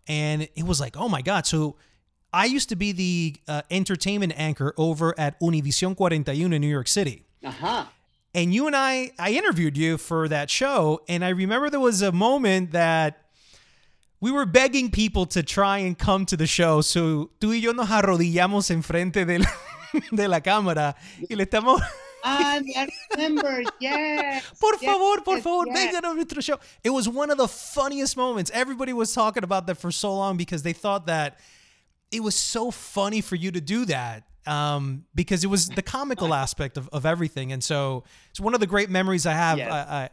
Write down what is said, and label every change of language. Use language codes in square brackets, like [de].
[en] And it was like, oh my God. So I used to be the entertainment anchor over at Univision 41 in New York City. Uh-huh. And you and I interviewed you for that show. And I remember there was a moment that we were begging people to try and come to the show. [es] So tú y yo nos arrodillamos enfrente de la cámara y le estamos... [en] I remember, yes. [es] Por favor, venga a nuestro show. [en] It was one of the funniest moments. Everybody was talking about that for so long because they thought that it was so funny for you to do that because it was the comical aspect of everything. And so it's one of the great memories I have, yes.